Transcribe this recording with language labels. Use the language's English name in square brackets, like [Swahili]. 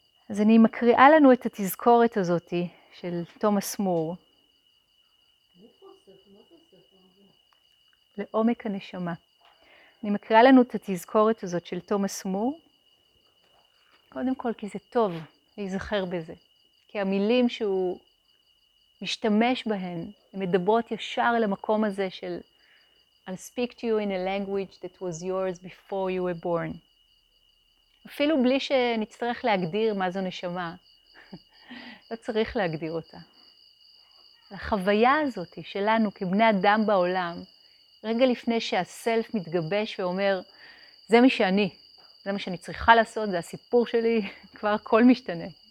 [Hebrew] אז אני מקריאה לנו את התזכורת הזאת של תומאס מור. לעומק הנשמה. אני מקריאה לנו את התזכורת הזאת של תומאס מור. קודם כל כי זה טוב להיזכר בזה. כי המילים שהוא משתמש בהן, הן מדברות ישר אל המקום הזה של [English] I'll speak to you in a language that was yours before you were born. [Hebrew] אפילו בלי שנצטרך להגדיר מה זו נשמה, לא צריך להגדיר אותה. החוויה הזאת שלנו כבני אדם בעולם, רגע לפני שהסלף מתגבש ואומר, זה מי שאני, זה מה שאני צריכה לעשות, זה הסיפור שלי, כבר הכל משתנה.